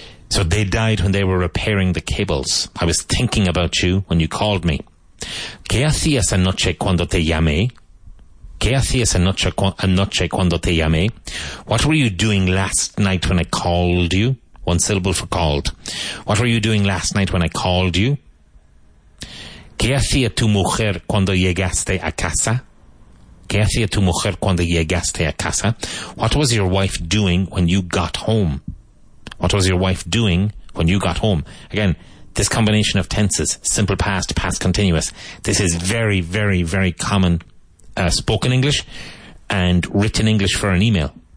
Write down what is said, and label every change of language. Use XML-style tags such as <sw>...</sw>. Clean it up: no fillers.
<en>So they died when they were repairing the cables. I was thinking about you when you called me.</en> <es>¿Qué hacías anoche cuando te llamé? ¿Qué hacías anoche cuando te llamé?</es> <en>What were you doing last night when I called you? One syllable for called. What were you doing last night when I called you?</en> <es>¿Qué hacía tu mujer cuando llegaste a casa? ¿Qué hacía tu mujer cuando llegaste a casa?</es> <en>What was your wife doing when you got home? What was your wife doing when you got home? Again, this combination of tenses, simple past, past continuous. This is very, very, very common spoken English and written English for an email.</en>